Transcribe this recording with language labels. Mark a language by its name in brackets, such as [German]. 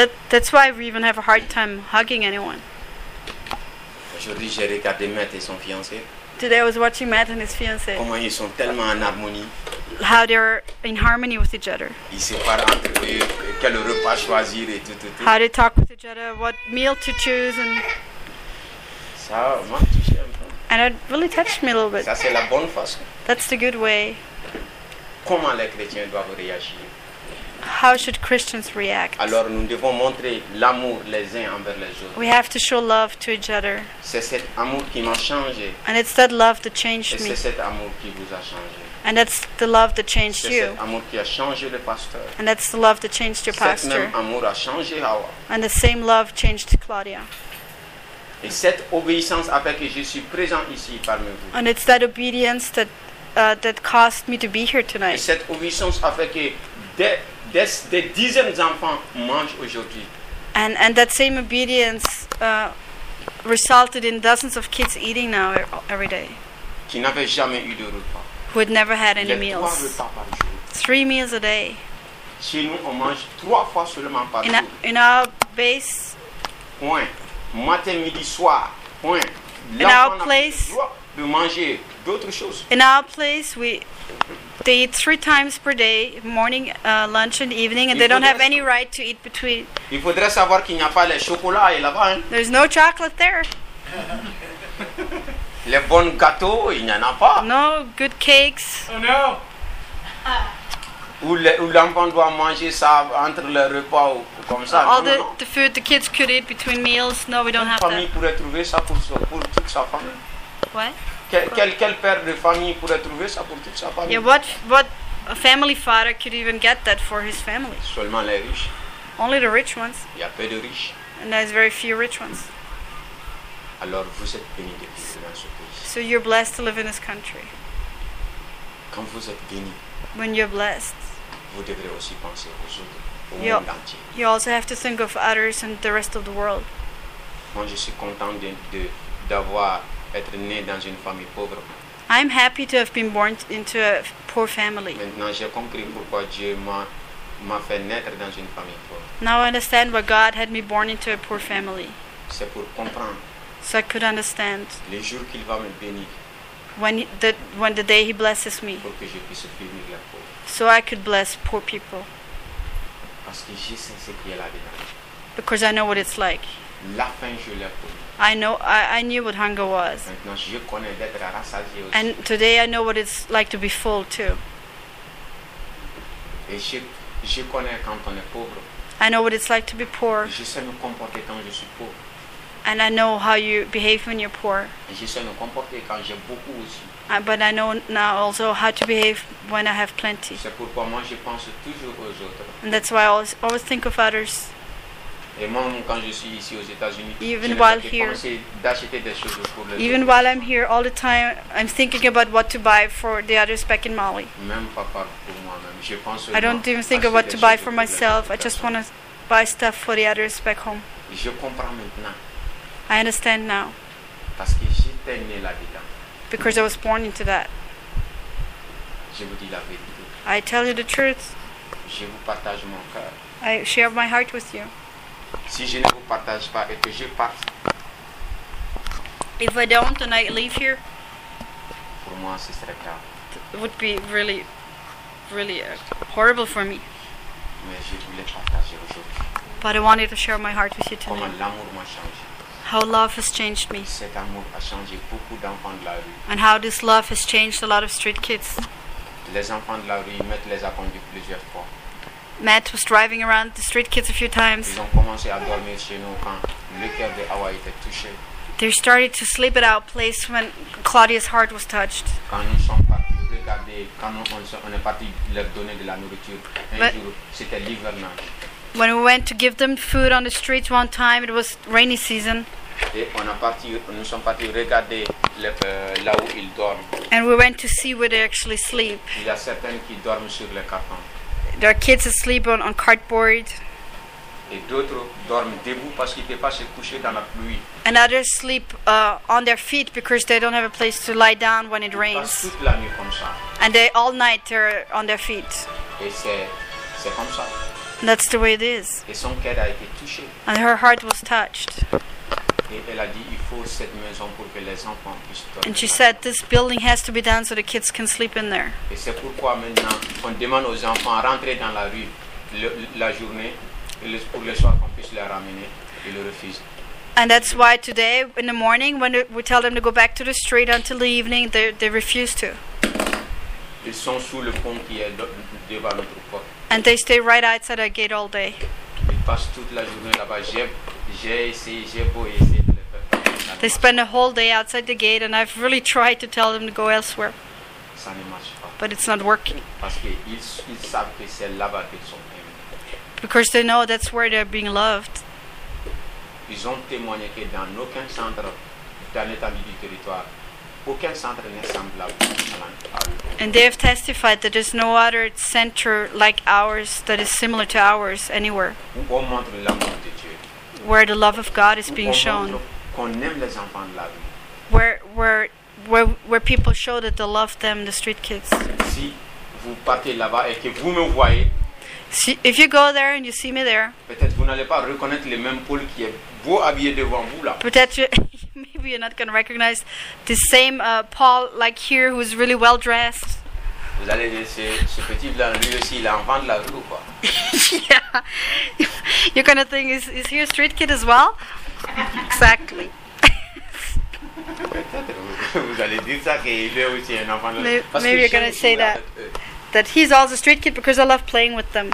[English] That's why we even have a hard time hugging anyone. [French] Aujourd'hui, j'ai regardé Matt et son fiancé. [English] Today I was watching Matt and his fiancé. [French] Comment ils sont tellement en harmonie. [English] How they're in harmony with each other. [French] Ils se parlent entre eux, quel repas choisir et tout, tout, tout. [English] How they talk with each other, what meal to choose and. [French] Ça m'a touché un peu. [English] And it really touched me a little bit. [French] Ça c'est la bonne façon. [English] That's the good way. [French] Comment les chrétiens doivent réagir? [English] How should Christians react? [French] Alors nous devons montrer l'amour les uns envers les autres. [English] We have to show love to each other. [French] C'est cet amour qui m'a changé. [English] And it's that love that changed me. [French] C'est cet amour qui vous a changé. [English] And that's the love that changed you. [French] C'est cet amour qui a changé le pasteur. [English] And that's the love that changed your pastor. [French] Cet même amour a changé Hawa. [English] And the same love changed Claudia. [French] Et cette obéissance a fait que je suis présent ici parmi vous. [English] And it's that obedience that caused me to be here tonight. [French] Et cette obéissance a fait que des dizaines d'enfants mangent aujourd'hui. [English] And that same obedience resulted in dozens of kids eating now every day. [French] Qui n'avaient jamais eu de repas. [English] Who had never had any meals. [French] Trois repas par jour. [English] Three meals a day. [French] Chez nous, on mange trois fois seulement par jour. [English] In our base. [French] Point. Matin, midi, soir. Point. [English] In our place. [French] De manger d'autres choses. [English] In our place, we. They eat three times per day, morning, lunch, and evening, and they don't have any right to eat between. [French] Il faudrait savoir qu'il n'y a pas les chocolats là-bas. [English] There's no chocolate there. [French] Les bons gâteaux, il n'y en a pas. [English] No good cakes. Oh no. [French] Où l'enfant doit manger ça entre le repas ou comme ça. [English] All the food the kids could eat between meals. No, we don't have that. [French] Une famille pourrait trouver ça pour toute sa famille. [English] What? [French] Quel père de famille pourrait trouver ça pour toute sa famille? [English] Yeah, what a family father could even get that for his family? [French] Seulement les riches. [English] Only the rich ones. [French] Il y a peu de riches. [English] And there's very few rich ones. [French] Alors vous êtes béni de vivre dans ce pays. [English] So you're blessed to live in this country. [French] Quand vous êtes béni. [English] When you're blessed. [French] Vous devrez aussi penser aux autres, monde entier. [English] You also have to think of others and the rest of the world. [French] Moi je suis content d'avoir être né dans une famille pauvre. [English] I'm happy to have been born into a poor family. [French] Maintenant, j'ai compris pourquoi Dieu m'a fait naître dans une famille pauvre. [English] Now I understand why God had me born into a poor family. [French] C'est pour comprendre. [English] So I could understand. [French] Les jours qu'il va me bénir. [English] When the day he blesses me. [French] Pour que je puisse bénir les pauvres. [English] So I could bless poor people. [French] Parce que je sais ce qu'il y a là-dedans. [English] Because I know what it's like. [French] La faim, je l'ai connu. [English] I knew what hunger was. [French] Je connais d'être rassasié aussi. [English] And today I know what it's like to be full too. [French] Et je connais quand on est pauvre. [English] I know what it's like to be poor. [French] Je sais me comporter quand je suis pauvre. [English] And I know how you behave when you're poor. [French] Et je sais me comporter quand j'ai beaucoup aussi. [English] But I know now also how to behave when I have plenty. [French] C'est pourquoi moi je pense toujours aux autres. [English] And that's why I always think of others. [French] Et même quand je suis ici aux États-Unis, [English] even while here, [French] d'acheter des choses pour les [English] even [French] autres. [English] While I'm here all the time, I'm thinking about what to buy for the others back in Mali. [French] Même pas pour moi-même. Je pense [English] I don't even think of what to buy for myself. I just want to buy stuff for the others back home. [French] Je comprends maintenant. [English] I understand now. [French] Parce que j'étais né là-dedans. [English] Because I was born into that. [French] Je vous dis la vérité. [English] I tell you the truth. [French] Je vous partage mon cœur. [English] I share my heart with you. [French] Si je ne vous partage pas et que je parte, [English] if I don't and I leave here, [French] pour moi ce serait grave. [English] It would be really, really horrible for me. [French] mais je voulais partager aujourd'hui. [English] But I wanted to share my heart with you tonight. [French] Comment l'amour m'a changé. [English] How love has changed me. [French] Cet amour a changé beaucoup d'enfants de la rue. [English] And how this love has changed a lot of street kids. [French] Les enfants de la rue, ils mettent les appendus plusieurs fois. [English] Matt was driving around the street kids a few times. [French] Ils ont commencé à dormir chez nous quand le cœur de Hawa était touché. [English] They started to sleep at our place when Claudia's heart was touched. [French] Quand nous sommes partis, regardez, quand on est partis leur donner de la nourriture, un jour, c'était l'hivernage. [English] When we went to give them food on the streets one time, it was rainy season. [French] Et on a parti, nous sommes partis regarder le, là où ils dorment. [English] And we went to see where they actually sleep. [French] Il y a certains qui dorment sur le carton. [English] There are kids asleep on cardboard. [French] Et d'autres dorment debout parce qu'ils ne peuvent pas se coucher dans la pluie. [English] And others sleep on their feet because they don't have a place to lie down when it [French] ils [English] rains. [French] Passent toute la nuit comme ça. [English] And they all night they're on their feet. [French] Et c'est comme ça. [English] That's the way it is. [French] Et son cœur a été touché. [English] And her heart was touched. [French] Et elle a dit, il faut cette maison pour que les enfants puissent dormir. [English] And she said, this building has to be done so the kids can sleep in there. [French] Et c'est pourquoi maintenant on demande aux enfants à rentrer dans la rue la journée. Pour le soir qu'on puisse les ramener, ils le refusent. [English] And that's why today, in the morning, when we tell them to go back to the street until the evening, they refuse to. [French] Ils sont sous le pont qui est devant notre porte. [English] And they stay right outside our gate all day. [French] Ils passent toute la journée là-bas. J'ai essayé de les faire. [English] They spend a whole day outside the gate, and I've really tried to tell them to go elsewhere. [French] Ça ne marche pas. [English] But it's not working. [French] Parce qu'ils savent que c'est là-bas qu'ils sont. [English] Because they know that's where they're being loved. [French] Ils ont témoigné que dans aucun centre dans l'étendue du territoire, aucun centre n'est semblable à l'autre. [English] And they have testified that there's no other center like ours that is similar to ours anywhere. [French] Où on montre l'amour de Dieu. [English] Where the love of God is being shown. [French] Qu'on aime les enfants de la rue. [English] Where people show that they love them, the street kids. [French] Si vous partez là-bas et que vous me voyez. [English] See, if you go there and you see me there, [French] peut-être vous n'allez pas reconnaître les mêmes pôles qui est beau habillé devant vous là. Peut-être, [English] maybe you're not going to recognize the same Paul like here who is really well dressed. [French] Vous allez dire ce petit blanc lui aussi il est en vente de la rue ou quoi? [English] Yeah, you're going to think is he a street kid as well? Exactly. [French] Peut-être vous allez dire ça qu'il est aussi un enfant de la rue. [English] Maybe you're going to say that. That he's also a street kid because I love playing with them.